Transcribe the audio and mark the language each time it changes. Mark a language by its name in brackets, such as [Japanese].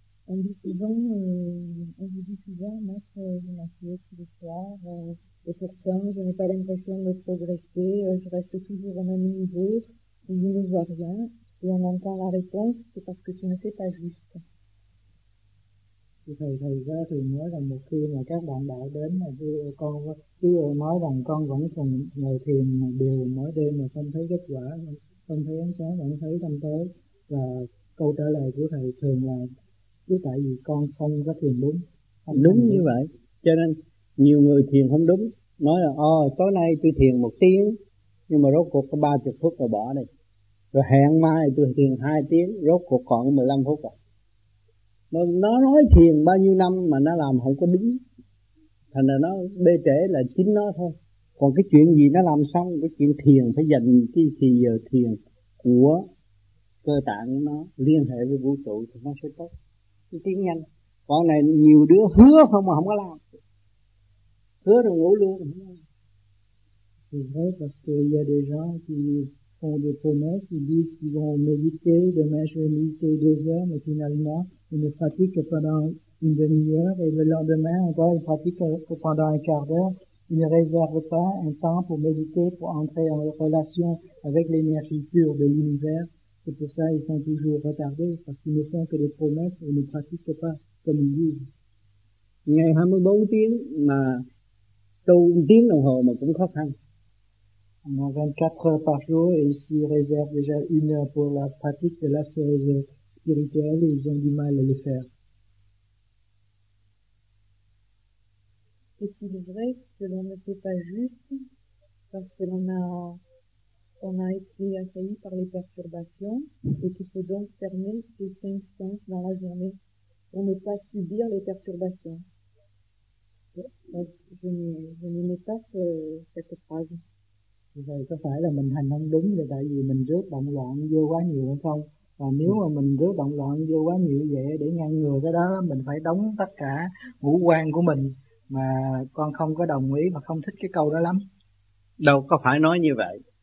[French] On dit souvent, on vous dit souvent, maître, je m'assieds tous les soirs, et pourtant je n'ai pas l'impression de progresser, je reste toujours au même niveau, et je ne vois rien, et on entend la réponse, c'est parce que tu ne fais pas juste. [Vietnamese] Thầy thầy ra thì nói rằng một khi mà các bạn đạo đến mà đưa con chưa nói rằng con vẫn còn ngồi thiền đều mỗi đêm mà không thấy kết quả, không thấy ánh sáng, vẫn thấy tâm tối. Và câu trả lời của thầy thường là cứ tại vì con không có thiền đúng. Không đúng như vậy. Cho nên nhiều người thiền không đúng. Nói là tối nay tôi thiền một tiếng, nhưng mà rốt cuộc có 30 phút rồi bỏ đi. Rồi hẹn mai tôi thiền 2 tiếng, rốt cuộc còn 15 phút rồi. Mà nó nói thiền bao nhiêu năm mà nó làm không có đúng. Thành ra nó bê trễ là chính nó thôi. Còn cái chuyện gì nó làm xong, cái chuyện thiền phải dành cái thì giờ thiền của cơ tạng nó liên hệ với vũ trụ thì nó sẽ tốt, nó tiến nhanh. Còn này nhiều đứa hứa không mà không có làm, hứa rồi ngủ luôn. [French] C'est vrai parce qu'il y a des gens qui font des promesses, ils disent qu'ils vont méditer, demain je vais méditer 2 heures, mais finalement ils ne pratiquent que pendant une demi-heure, et le lendemain encore ils pratiquent que pendant un quart d'heure. Ils ne réservent pas un temps pour méditer, pour entrer en relation avec l'énergie pure de l'univers. C'est pour ça qu'ils sont toujours retardés, parce qu'ils ne font que des promesses et ne pratiquent pas comme ils disent. [Vietnamese] Ngày 24 tiếng mà tu 1 tiếng đồng hồ mà cũng khó khăn. [French] On a 24 heures par jour et ici ils réservent déjà 1 heure pour la pratique de la chose spirituelle et ils ont du mal à le faire. Est-il vrai que l'on ne fait pas juste parce que l'on a... On a été assailli par les perturbations et qu'il faut donc fermer ces 5 sens dans la journée pour ne pas subir les perturbations. Donc, je n'aimais pas cette phrase. [Vietnamese] Vậy có phải là mình hành không đúng là tại vì mình rước động loạn vô quá nhiều hay không? Và nếu mà mình rước động loạn vô quá nhiều vậy để ngăn ngừa cái đó, mình phải đóng tất cả ngũ quan của mình. Mà con không có đồng ý và không thích cái câu đó lắm. Đâu có phải nói như vậy.